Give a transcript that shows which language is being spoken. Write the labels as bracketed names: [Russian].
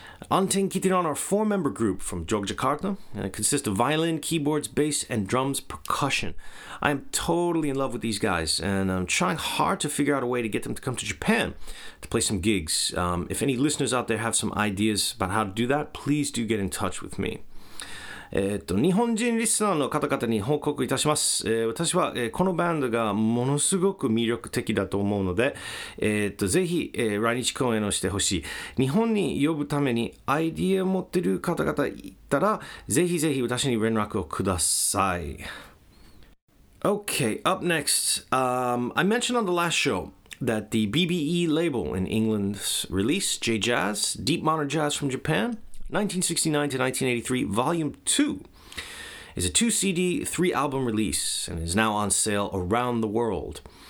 [English] Anteng Kitiran are a four-member group from Yogyakarta, and it consists of violin, keyboards, bass, and drums, percussion. I am totally in love with these guys, and I'm trying hard to figure out a way to get them to come to Japan to play some gigs. If any listeners out there have some ideas about how to do that, please do get in touch with me. [Japanese] 日本人リスナーの方々に報告いたします。私は、このバンドがものすごく魅力的だと思うので、ぜひ、来日公演をしてほしい。日本に呼ぶためにアイディアを持っている方々いたら、ぜひぜひ私に連絡をください。 [English] Okay, up next. I mentioned on the last show that the BBE label in England's release, J-Jazz, Deep Modern Jazz from Japan, 1969 to 1983, Volume 2, is a 2 CD, 3 album release, and is now on sale around the world.